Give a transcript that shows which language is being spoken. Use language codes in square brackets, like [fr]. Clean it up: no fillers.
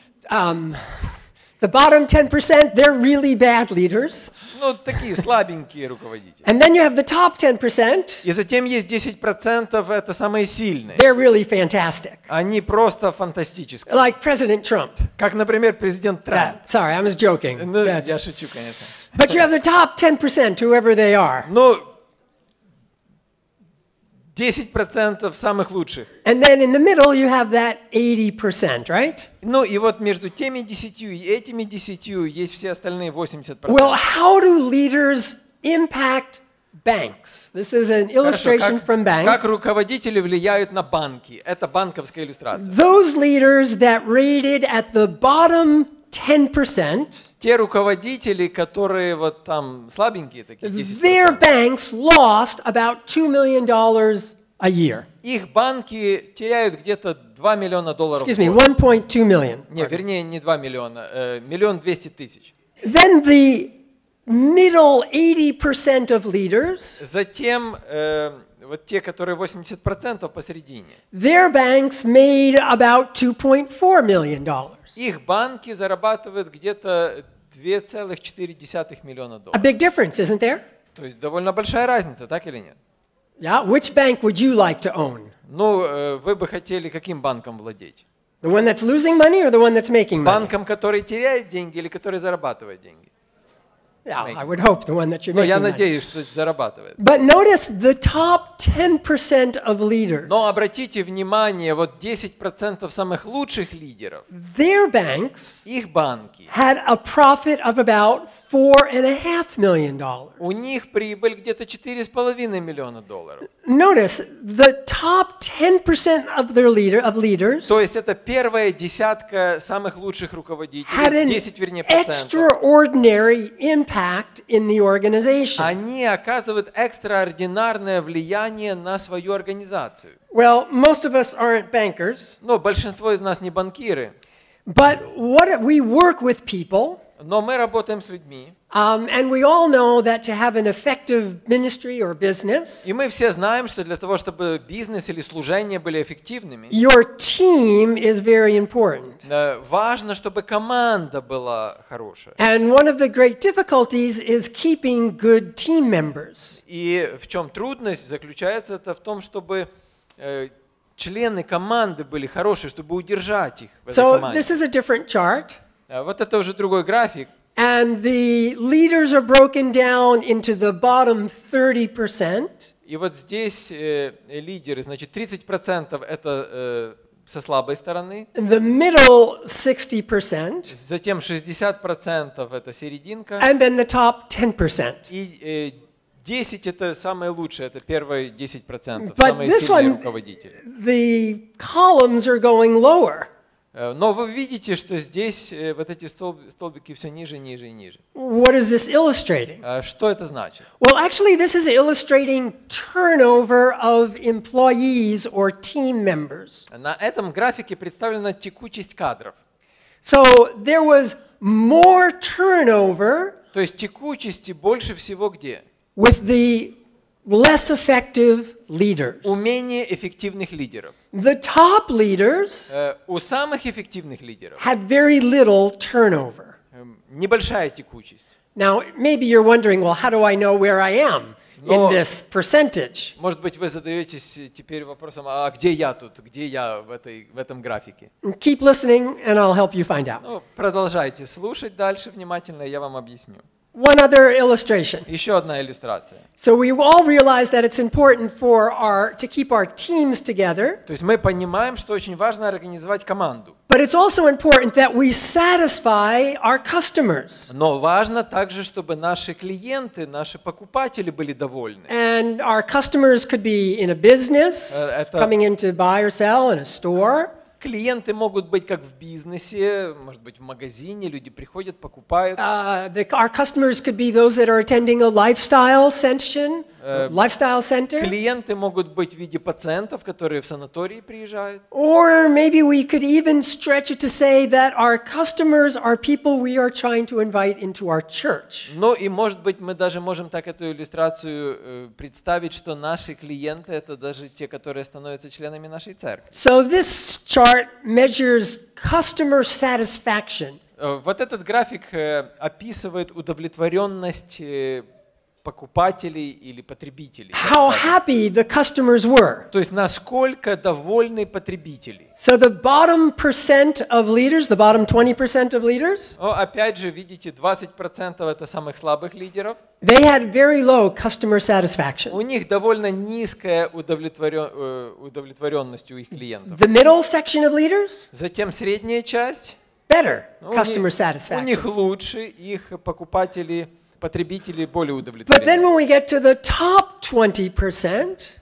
[en] The bottom 10%, they're really bad leaders. [ru] Ну, такие слабенькие руководители. [en] And then you have the top 10%. [ru] И затем есть 10%, это самые сильные. [en] They're really fantastic. [ru] Они просто фантастические. [en] Like President Trump. [ru] Как, например, президент Трамп. [en] Sorry, I was joking. [ru] Ну, я шучу, конечно. [en] But you have the top 10%, whoever they are. [ru] Ну, 10% самых лучших. [en] And then in the middle you have that 80%, right? [ru] Ну и вот между теми 10 и этими 10 есть все остальные 80%. [en] Well, how do leaders impact banks? This is an illustration from banks. [ru] Как руководители влияют на банки? Это банковская иллюстрация. [en] Those leaders that rated at the bottom 10%, [ru] те руководители, которые вот там слабенькие, такие 10%, [en] their banks lost about $2 million a year. [ru] Их банки теряют где-то 2 миллиона долларов. [en] Excuse me, 1.2 million. [ru] Нет, вернее, не 2 миллиона, 1 200 000. [en] Then the middle 80% of leaders, [ru] затем вот те, которые 80% посередине, [en] their banks made about $2.4 million. [ru] Их банки зарабатывают где-то 2,4 миллиона долларов. [en] A big difference, isn't there? [ru] То есть довольно большая разница, так или нет? [en] Yeah, which bank would you like to own? [ru] Ну, вы бы хотели каким банком владеть? [en] The one that's losing money or the one that's making money? [ru] Банком, который теряет деньги или который зарабатывает деньги? [en] Yeah, I would hope the one that you're making. [ru] Но я надеюсь, что зарабатывает. [en] But notice the top 10% of leaders. [ru] Но обратите внимание, вот 10% самых лучших лидеров. [en] Their banks, [ru] их банки, [en] had a profit of about $4.5 million. [ru] У них прибыль где-то 4.5 миллиона долларов. [en] Notice the top 10% of their leaders. [ru] То есть это первая десятка самых лучших руководителей. [en] Had an [ru] 10, вернее, процентов. [en] Extraordinary impact in the organization. [ru] Они оказывают экстраординарное влияние на свою организацию. [en] Well, most of us aren't bankers. [ru] Но большинство из нас не банкиры. [en] But what we work with people. [ru] Но мы работаем с людьми. [en] And we all know that to have an effective ministry or business. [ru] И мы все знаем, что для того, чтобы бизнес или служение были эффективными. [en] Your team is very important. [ru] Важно, чтобы команда была хорошая. [en] And one of the great difficulties is keeping good team members. [ru] И в чем трудность заключается, это в том, чтобы члены команды были хорошие, чтобы удержать их в этой команде. [en] So this is a different chart. [ru] Вот это уже другой график. [en] And the leaders are broken down into the bottom 30%. [ru] И вот здесь лидеры, значит, 30% это со слабой стороны. [en] The middle 60%. [ru] Затем 60% это серединка. [en] And then the top 10%. [ru] И 10 это самое лучшее, это первые 10%, [en] but [ru] самые сильные руководители. [en] The columns are going lower. [ru] Но вы видите, что здесь вот эти столбики все ниже, ниже и ниже. [en] What is this illustrating? [ru] Что это значит? [en] Well, actually, this is illustrating turnover of employees or team members. [ru] На этом графике представлена текучесть кадров. [en] So there was more turnover. [ru] То есть текучести больше всего где? [en] With the less effective leaders. [ru] У менее эффективных лидеров. [en] The top leaders [ru] у самых эффективных лидеров [en] had very little turnover. [ru] Небольшая текучесть. [en] Now, maybe you're wondering, well, how do I know where I am in this percentage? [ru] Может быть, вы задаетесь теперь вопросом, а где я тут, где я в этом графике? [en] Keep listening, and I'll help you find out. [ru] Ну, продолжайте слушать дальше внимательно, я вам объясню. [en] One other illustration. [ru] Еще одна иллюстрация. [en] So we all realize that it's important for our to keep our teams together. [ru] То есть мы понимаем, что очень важно организовать команду. [en] But it's also important that we satisfy our customers. [ru] Но важно также, чтобы наши клиенты, наши покупатели были довольны. [en] And our customers could be in a business, coming in to buy or sell in a store. [ru] Клиенты могут быть как в бизнесе, может быть, в магазине, люди приходят, покупают. [en] Our customers could be those that are attending a lifestyle session, lifestyle center. [ru] Клиенты могут быть в виде пациентов, которые в санатории приезжают. [en] Or maybe we could even stretch it to say that our customers are people we are trying to invite into our church. [ru] Ну и может быть, мы даже можем так эту иллюстрацию представить, что наши клиенты это даже те, которые становятся членами нашей церкви. [en] So this chart measures customer satisfaction. [ru] Вот этот график описывает удовлетворенность покупателей или потребителей. [en] How happy the customers were. [ru] То есть насколько довольны потребители. [en] So the bottom percent of leaders, the bottom 20% of leaders. [ru] Опять же, видите, 20% это самых слабых лидеров. [en] They had very low customer satisfaction. [ru] У них довольно низкая удовлетворенность у их клиентов. [en] The middle section of leaders. [ru] Затем средняя часть. [en] Better customer satisfaction. [ru] У них лучше, их покупатели. Потребители более удовлетворены. [en] But then when we get to the top 20%,